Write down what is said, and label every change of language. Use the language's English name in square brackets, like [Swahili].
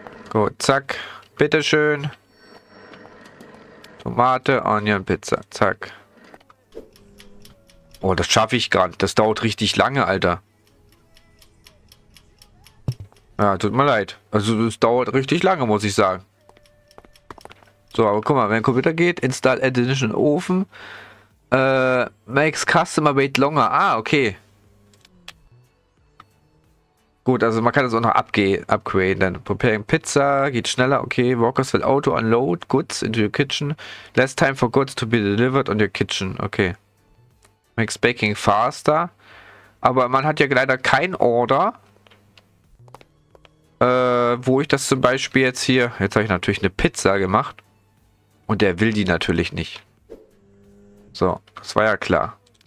[German] Gut, zack. Bitteschön. Tomate, Onion, Pizza. Zack. Oh, das schaffe ich gar nicht. Das dauert richtig lange, Alter. Ja, tut mir leid. Also, es dauert richtig lange, muss ich sagen. So, aber guck mal, wenn der Computer geht, [English] install additional [German] Ofen. [English] Makes customer wait longer. Ah, okay. [German] Gut, also man kann das auch noch upgraden. Dann [English] preparing [German] Pizza, geht schneller. [English] Okay, workers will auto unload goods into your kitchen. Less time for goods to be delivered on your kitchen. Okay. Makes baking faster. [German] Aber man hat ja leider kein Order. Wo ich das zum Beispiel jetzt hier... Jetzt habe ich natürlich eine Pizza gemacht. Und der will die natürlich nicht. So, das war ja klar.